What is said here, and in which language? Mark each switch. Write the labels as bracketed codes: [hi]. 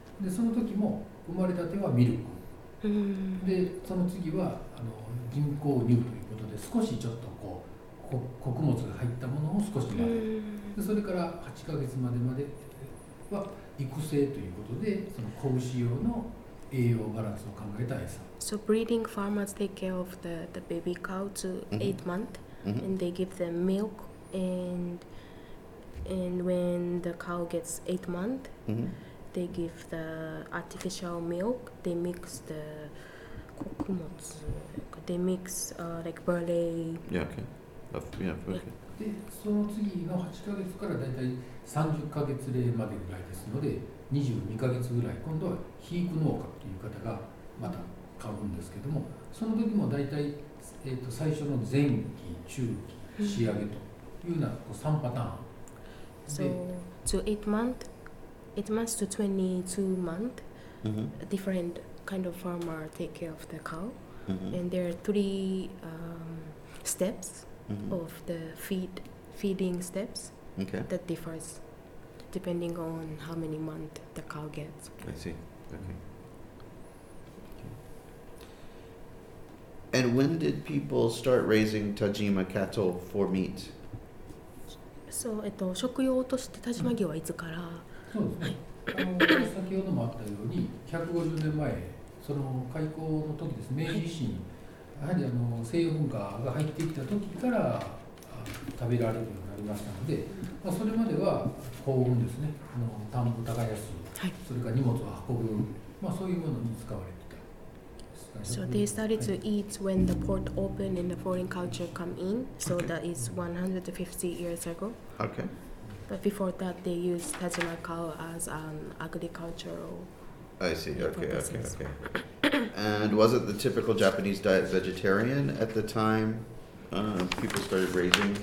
[ja] で、その時も生まれたてはミルク。で、その次は、人工乳ということで、少しちょっとこう、穀物が入ったものを少し混ぜて、それから8ヶ月までまでは育成ということで、その子牛用の栄養バランスを考えた餌。 [en] So breeding farmers take care of the baby cow to 8 months, and they give them milk, and when the cow gets 8 months, they give the artificial milk, they mix the kokumotsu, they mix like barley. Yeah, okay. Of, yeah, okay. [ja] で、その次の8ヶ月からだいたい30ヶ月齢までぐらいですので、22ヶ月ぐらい、今度は肥育農家という方がまた買うんですけども、その時もだいたい最初の前期、中期、仕上げというような3パターン。 [en] So, to 8 months? It must to 22 months, different kind of farmer take care of the cow. And there are three steps of the feeding steps that differs depending on how many months the cow gets. I see. Okay. And when did people start raising Tajima cattle for meat? So, [ja] 食用として田島牛はいつから先ほどもあったように150年前その開港の時です明治維新やはり西洋文化が入ってきた時から食べられるようになりましたので、まあ、それまでは耕運ですね田んぼ耕す、はい、それから荷物を運ぶ、まあ、そういうものに使われてた [en] So they started to eat when the port opened and the foreign culture come in so that is 150 years ago Okay. But before that, they used Tajima cow as an agricultural I see, okay, okay, okay. And was it the typical Japanese diet vegetarian at the time people started raising